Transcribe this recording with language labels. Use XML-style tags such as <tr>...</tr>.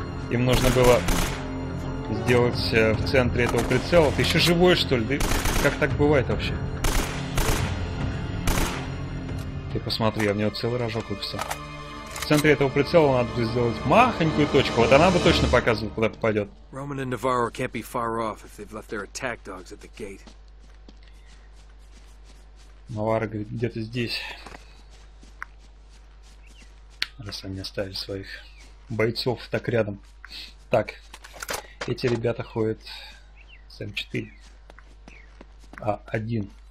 <ru>Им нужно было сделать в центре этого прицела. Ты еще живой, что ли? Ты... Как так бывает вообще? Ты посмотри, я в него целый рожок выписал. В центре этого прицела надо сделать махонькую точку. Вот она бы точно показывает, куда попадет.</ru> <en>Roman and Navarro can't be far off if they've left their attack dogs at the gate.</en> <ru>Навара говорит, где-то здесь. Раз они оставили своих бойцов так рядом. Так, эти ребята ходят с М4, а один.</ru>